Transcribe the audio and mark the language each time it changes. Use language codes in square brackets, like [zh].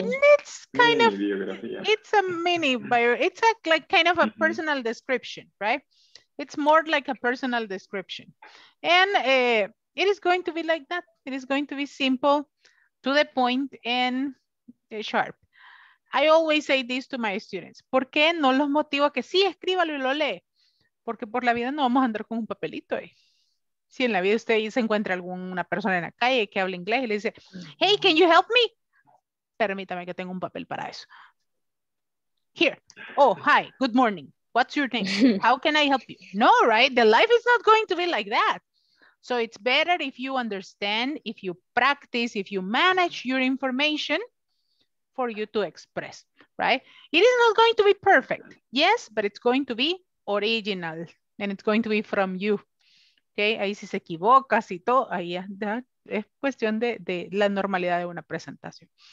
[en] It's kind of, it's a mini bio, it's a, like kind of a personal description, right? It's more like a personal description. And it is going to be like that. It is going to be simple, to the point, and sharp. I always say this to my students. [es] ¿Por qué no los motivo a que sí, escríbalo y lo lee? Porque por la vida no vamos a andar con un papelito ahí. Si en la vida usted se encuentra alguna persona en la calle que habla inglés y le dice, [en] hey, can you help me? [es] Permítame que tengo un papel para eso. [en] Here. Oh, hi. Good morning. What's your name? How can I help you? No, right? The life is not going to be like that. So it's better if you understand, if you practice, if you manage your information for you to express, right? It is not going to be perfect. Yes, but it's going to be original and it's going to be from you. [es] Okay, ahí si se equivoca, si todo, ahí ya, es cuestión de la normalidad de una presentación.